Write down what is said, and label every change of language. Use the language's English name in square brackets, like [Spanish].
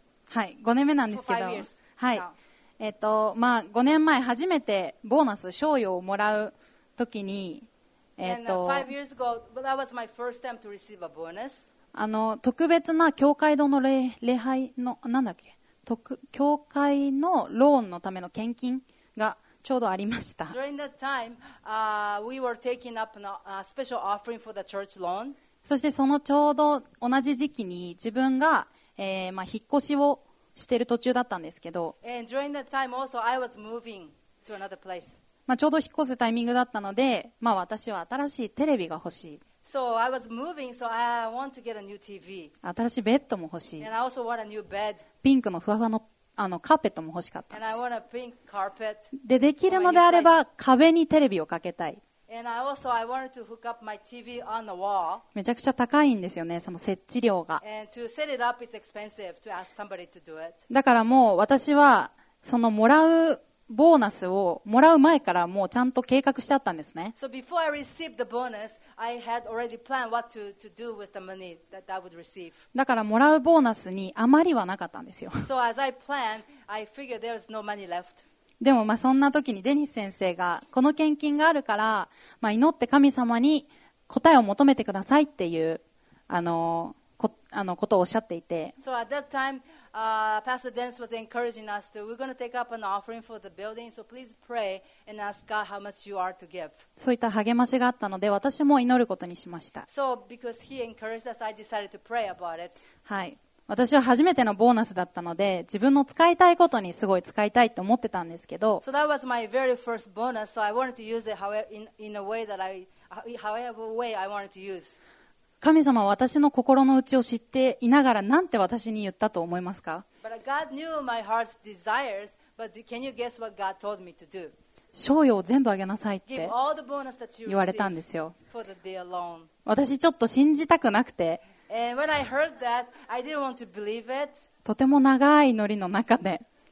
[Japanese] はい、5年目なんですけど、はい、まあ、5年前初めてボーナス、賞与をもらう時に、特別な教会堂の礼拝の、なんだっけ、教会のローンのための献金がちょうどありました。 [English] During that time, we were taking up a special offering for the church loan. [Japanese] そしてそのちょうど同じ時期に自分が、まあ、引っ越しをしている途中だったんですけど、 [English] also, [Japanese] まあ、ちょうど引っ越すタイミングだったので、まあ、私は新しいテレビが欲しい、 [English] so I was moving, so、I want to get a new TV. [Japanese] 新しいベッドも欲しい、 [English] and I also want a new bed. [Japanese] ピンクのふわふわ のカーペットも欲しかったんです。 [English] and I want a pink carpet [Japanese] で、できるのであれば壁にテレビをかけたい。めちゃくちゃ高いんですよね、その設置料が。 [English] And to set it up, it's expensive to ask somebody to do it. [Japanese] だからもう私はそのもらうボーナスをもらう前からもうちゃんと計画してあったんですね。 [English] So before I received the bonus, I had already planned what to do with the money that I would receive. [Japanese] だからもらうボーナスに余りはなかったんですよ。 [English] So as I planned, I figured there was no money left. [Japanese] でもまあそんな時にデニス先生がこの献金があるから、まあ、祈って神様に答えを求めてくださいっていうことをおっしゃっていて、 [English] So at that time, Pastor Dennis was encouraging us to, we're going to take up an offering for the building, so please pray and ask God how much you are to give. [Japanese] そういった励ましがあったので私も祈ることにしました。 [English] So because he encouraged us, I decided to pray about it. [Japanese] はい、私は初めてのボーナスだったので自分の使いたいことにすごい使いたいと思ってたんですけど、 [English] so that was my very first bonus, so I wanted to use it in a way that I, however way I wanted to use. [Japanese] 神様は私の心の内を知っていながらなんて私に言ったと思いますか？ [English] But God knew my heart's desires, but can you guess what God told me to do? [Japanese] 賞与を全部あげなさいって言われたんですよ。私ちょっと信じたくなくて、 [English] And when I heard that, I didn't want to believe it. [Japanese] とても長い祈りの中で